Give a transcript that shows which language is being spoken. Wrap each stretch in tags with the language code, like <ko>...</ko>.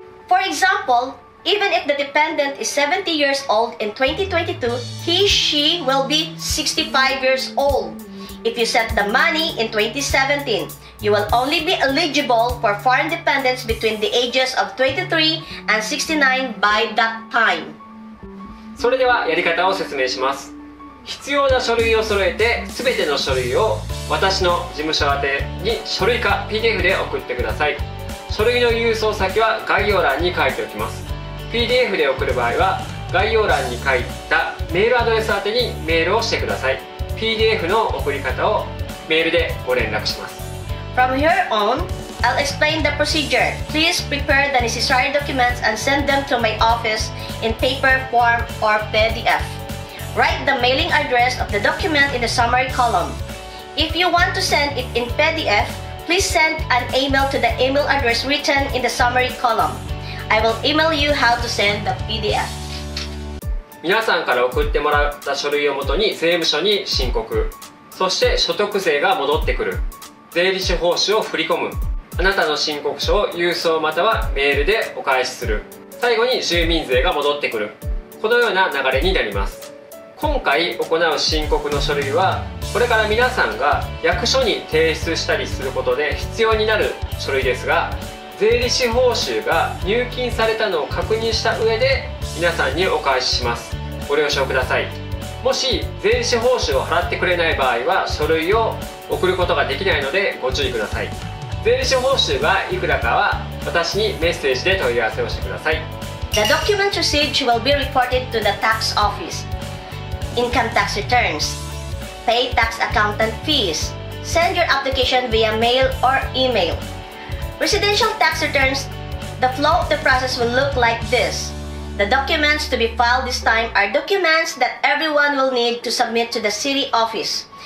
<en>For example, even if the dependent is 70 years old in 2022, he/she will be 65 years old. If you sent the money in 2017, you will only be eligible for foreign dependents between the ages of 23 and 69 by that time.</en> <ja>それではやり方を説明します。必要な書類を揃えて、すべての書類を私の事務所宛てに書類か PDF で送ってください。書類の郵送先は概要欄に書いておきます。PDF で送る場合は概要欄に書いたメールアドレス宛てにメールをしてください。 PDF の送り方をメールでご連絡します。</ja> <en>From here on, I'll explain the procedure. Please prepare the necessary documents and send them to my office in paper form or PDF. Write the mailing address of the document in the summary column. If you want to send it in PDF, please send an email to the email address written in the summary column. I will email you how to send the PDF.</en> <ja>皆さんから送ってもらった書類をもとに税務署に申告、そして所得税が戻ってくる、税理士報酬を振り込む、あなたの申告書を郵送またはメールでお返しする、最後に住民税が戻ってくる、このような流れになります。今回行う申告の書類は、これから皆さんが役所に提出したりすることで必要になる書類ですが、税理士報酬が入金されたのを確認した上で皆さんにお返しします。ご了承ください。もし税理士報酬を払ってくれない場合は書類を送ることができないのでご注意ください。税理士報酬がいくらかは私にメッセージで問い合わせをしてください。</ja> <en>The document received will be reported to the tax office. Income tax returns. Pay tax accountant fees. Send your application via mail or email. Residential tax returns. The flow of the process will look like this. The documents to be filed this time are documents that everyone will need to submit to the city office.</en>